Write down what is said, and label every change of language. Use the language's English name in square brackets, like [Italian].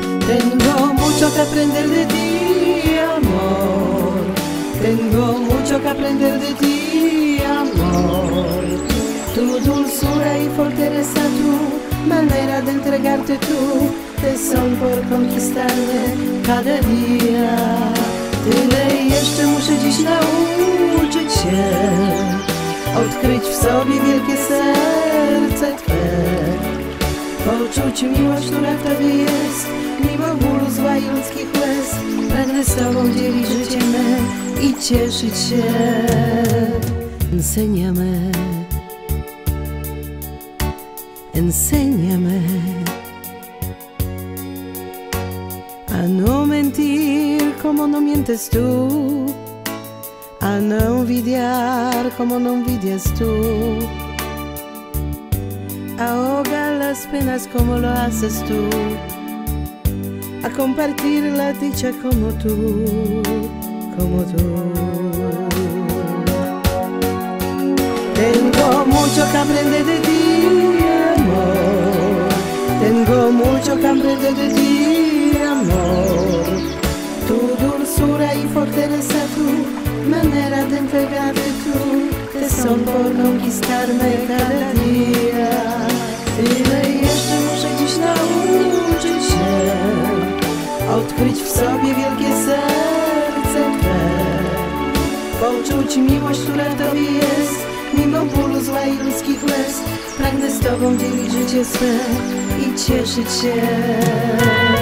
[Spanish] Tengo mucho que aprender de ti, amor. Tengo mucho que aprender de ti, amor. Tu dulzura y fortaleza, tu manera de entregarte tu tesón por conquistarme cada día. [Polish] Tyle jeszcze muszę dziś nauczyć się, odkryć w sobie wielkie serce twe, poczuć miłość, która w tobie jest, mimo bólu, zła i ludzkich łez. Będę z tobą dzielić życie me i cieszyć się. [Spanish] Enséñame, enséñame a no mentir como no mientes tú, a no envidiar como no envidias tú, ahoga las penas como lo haces tú, a compartir la dicha como tú, como tú. Tengo mucho que aprender de ti, amor. Tengo mucho que aprender de ti, amor. Tu dulzura y fortaleza, tu manera de entregarte tú, te son por conquistarme cada día. [Polish] Tyle jeszcze muszę dziś nauczyć się, odkryć w sobie wielkie serce twe, poczuć miłość, która w tobie jest, mimo bólu, zła i ludzkich łez. Pragnę z tobą dzielić życie swe i cieszyć się.